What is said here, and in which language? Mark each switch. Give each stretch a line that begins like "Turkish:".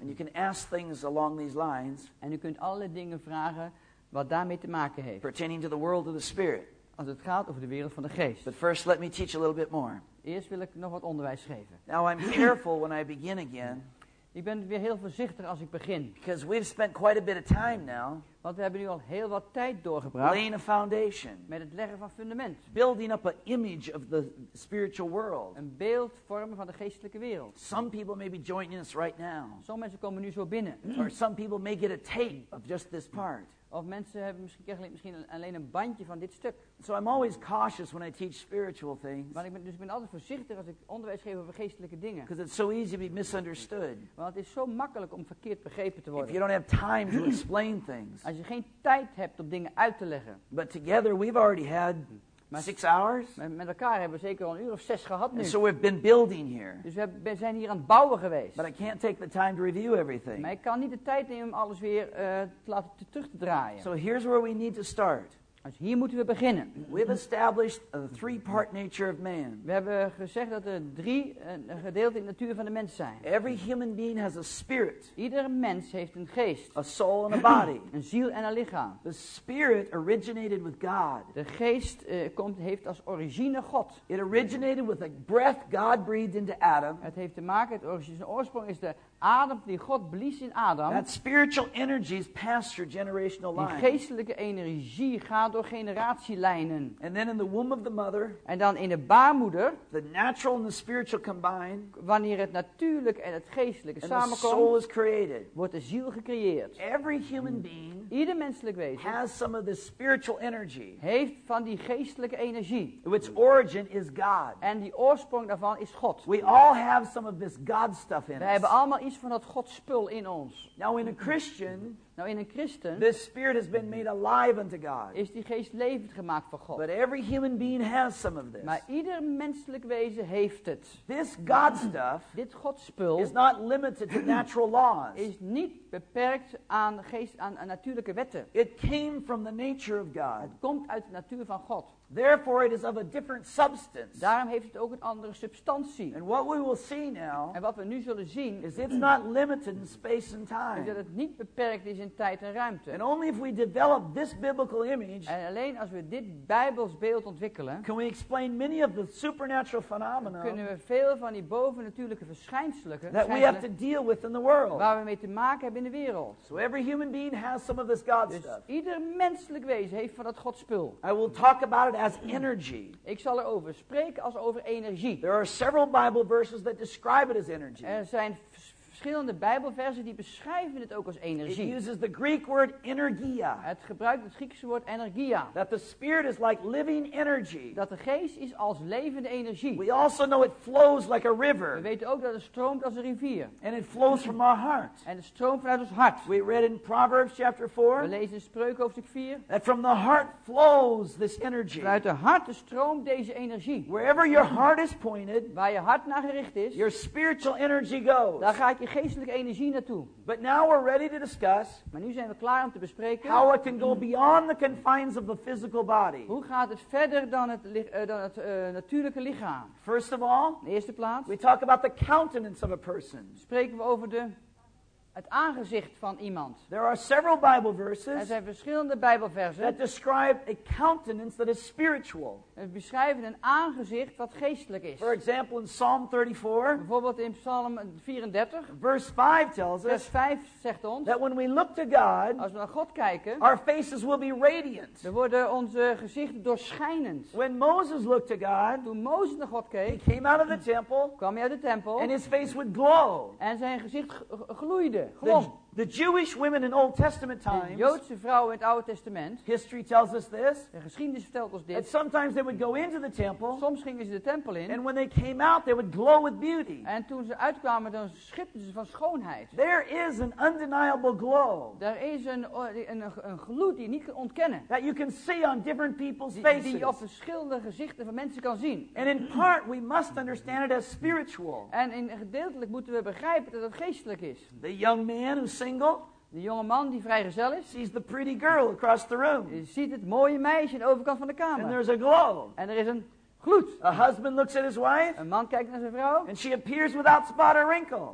English: And you can ask things along these lines.
Dutch: En u kunt alle dingen vragen wat daarmee te maken heeft.
English: Pertaining to the world of the spirit.
Dutch: Als het gaat over de wereld van de geest.
English: But first, let me teach a little bit more.
Dutch: Eerst wil ik nog wat onderwijs geven.
English: Now I'm careful when I begin again.
Dutch: Ik ben weer heel voorzichtig als ik begin.
English: Because we've spent quite a bit of time now.
Dutch: Want we hebben nu al heel wat tijd doorgebracht.
English: Laying a foundation.
Dutch: Met het leggen van fundament.
English: Building up an image of the spiritual world.
Dutch: Een beeld vormen van de geestelijke wereld.
English: Some people may be joining us right now.
Dutch: Sommige mensen komen nu zo binnen.
English: Or some people may get a tape of just this part.
Dutch: Of mensen hebben misschien alleen een bandje van dit stuk.
English: So I'm always cautious when I teach spiritual things.
Dutch: Ik ben altijd voorzichtig als ik onderwijs geef over geestelijke dingen.
English: Because it's so easy to be misunderstood.
Dutch: Want het is zo makkelijk om verkeerd begrepen te worden.
English: If you don't have time to explain things.
Dutch: Als je geen tijd hebt om dingen uit te leggen.
English: But together we've already had 6 hours.
Dutch: Met elkaar hebben we zeker al een uur of zes gehad nu.
English: And so we've been building here.
Dutch: Dus we zijn hier aan het bouwen geweest.
English: But I can't take the time to review everything.
Dutch: Maar ik kan niet de tijd nemen om alles weer terug te draaien.
English: So here's where we need to start.
Dutch: Dus hier moeten we beginnen.
English: We've established a three-part nature of man.
Dutch: We hebben gezegd dat er drie gedeelte in de natuur van de mens zijn.
English: Every human being has a spirit.
Dutch: Ieder mens heeft een geest.
English: A soul and a body.
Dutch: Een ziel en een lichaam.
English: The spirit originated with God.
Dutch: De geest heeft als origine God.
English: It originated with a breath God breathed into Adam.
Dutch: Het heeft te maken, het oorsprong is de Adam die God blies in Adam.
English: That spiritual energy is passed through generational lines.
Dutch: Die geestelijke energie gaat door generatielijnen.
English: And then in the womb of the mother.
Dutch: En dan in de baarmoeder.
English: The natural and the spiritual combine.
Dutch: Wanneer het natuurlijke en het geestelijke samenkomt.
English: The soul is created.
Dutch: Wordt de ziel gecreëerd.
English: Every human being.
Dutch: Ieder menselijk wezen.
English: Has some of the spiritual energy.
Dutch: Heeft van die geestelijke energie.
English: Its origin is God.
Dutch: En die oorsprong daarvan is God.
English: We all have some of this God stuff in
Dutch: us. Hebben allemaal iets van dat Godspul in ons.
English: Now in a Christian, this spirit has been made alive unto God.
Dutch: Is die geest levend gemaakt voor God.
English: But every human being has some of this.
Dutch: Maar ieder menselijk wezen heeft het.
English: This God stuff,
Dutch: dit Godspul,
English: is not limited to natural laws.
Dutch: Is niet beperkt aan geest, aan natuurlijke wetten.
English: It came from the nature of God.
Dutch: Het komt uit de natuur van God.
English: Therefore it is of a different substance.
Dutch: Daarom heeft het ook een andere substantie.
English: And what we will see now,
Dutch: en wat we nu zullen zien,
English: is it's not limited in space and time.
Dutch: Is dat het niet beperkt is in tijd en ruimte.
English: And only if we develop this biblical image,
Dutch: en alleen als we dit Bijbels beeld ontwikkelen,
English: can we explain many of the supernatural phenomena,
Dutch: kunnen we veel van die bovennatuurlijke verschijnselen
English: that we have to deal with in the world.
Dutch: Waar we mee te maken hebben in de wereld.
English: So every human being has some of this God
Dutch: dus
English: stuff.
Dutch: Ieder menselijk wezen heeft van dat Godspul.
English: I will talk about as energy.
Dutch: Ik zal erover spreken als over energie.
English: There are several Bible verses that describe it as energy.
Dutch: Er zijn verschillende Bijbelversen die beschrijven het ook als energie.
English: It uses the Greek word energia.
Dutch: Het gebruikt het Griekse woord energia.
English: That the spirit is like living energy.
Dutch: Dat de geest is als levende energie.
English: We also know it flows like a river.
Dutch: We weten ook dat het stroomt als een rivier.
English: And it flows from our heart.
Dutch: En het stroomt vanuit ons hart.
English: We read in Proverbs chapter 4.
Dutch: We lezen in Spreuken hoofdstuk 4.
English: That from the heart flows this energy.
Dutch: Vanuit de hart stroomt deze energie.
English: Wherever your heart is pointed,
Dutch: waar je hart naar gericht is,
English: your spiritual energy goes.
Dutch: Daar ga ik geestelijke energie naartoe.
English: But now we're ready to discuss.
Dutch: Maar nu zijn we klaar om te bespreken.
English: How it can go beyond the confines of the physical body.
Dutch: Hoe gaat het verder dan natuurlijke lichaam?
English: First of all,
Dutch: in eerste plaats,
English: we talk about the countenance of a person.
Dutch: Spreken we over de het aangezicht van iemand.
English: There are several Bible verses.
Dutch: Er zijn verschillende Bijbelversen.
English: That describe a countenance that is spiritual.
Dutch: Het beschrijven een aangezicht wat geestelijk is.
English: For example, in Psalm 34.
Dutch: Bijvoorbeeld in Psalm 34.
English: Verse 5 tells us.
Dutch: Vers 5 zegt ons.
English: That when we look to God.
Dutch: Als we naar God kijken.
English: Our faces will be radiant.
Dutch: Dan worden onze gezichten doorschijnend.
English: When Moses looked to God.
Dutch: Toen Mozes naar God keek.
English: He came out of the temple.
Dutch: Kwam hij uit de tempel.
English: And his face would glow.
Dutch: En zijn gezicht gloeide.
English: The Jewish women in Old Testament times.
Dutch: De Joodse vrouwen in het Oude Testament.
English: History tells us this.
Dutch: De geschiedenis vertelt ons dit.
English: And sometimes they would go into the temple.
Dutch: Soms gingen ze de tempel in.
English: And when they came out, they would glow with beauty.
Dutch: En toen ze uitkwamen, dan schitterden ze van schoonheid.
English: There is an undeniable glow.
Dutch: Daar is een gloed die je niet kan ontkennen.
English: That you can see on different people's faces.
Dutch: Die je op verschillende gezichten van mensen kan zien.
English: And in part, we must understand it as spiritual.
Dutch: En in gedeeltelijk moeten we begrijpen dat het geestelijk is.
English: The young man who's single.
Dutch: De jonge man die vrijgezel is.
English: Sees the pretty girl across the room.
Dutch: Je ziet het mooie meisje aan de overkant van de kamer.
English: And there's a glow.
Dutch: En er is een gloed.
English: A husband looks at his wife.
Dutch: Een man kijkt naar zijn vrouw.
English: And she appears without spot or wrinkle.